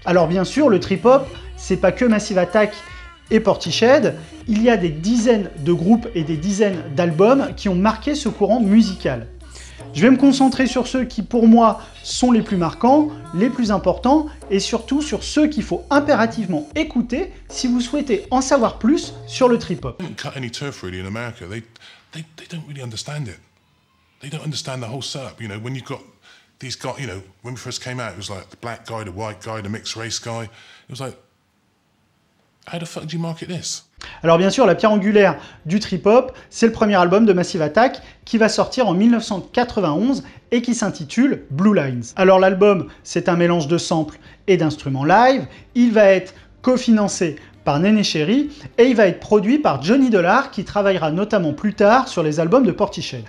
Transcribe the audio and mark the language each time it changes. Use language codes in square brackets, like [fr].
[fr] Alors bien sûr, le trip-hop, c'est pas que Massive Attack et Portishead, il y a des dizaines de groupes et des dizaines d'albums qui ont marqué ce courant musical. Je vais me concentrer sur ceux qui, pour moi, sont les plus marquants, les plus importants, et surtout sur ceux qu'il faut impérativement écouter si vous souhaitez en savoir plus sur le trip-hop. [en] They don't cut any turf really in America. They don't really understand it. They don't understand the whole setup. You know, when you've got these guys, you know, when we first came out, it was like the black guy, the white guy, the mixed race guy. It was like, how the fuck do you market this? [fr] Alors bien sûr, la pierre angulaire du trip-hop, c'est le premier album de Massive Attack qui va sortir en 1991 et qui s'intitule Blue Lines. Alors l'album, c'est un mélange de samples et d'instruments live. Il va être cofinancé par Néné Cherry et il va être produit par Johnny Dollar qui travaillera notamment plus tard sur les albums de Portishead.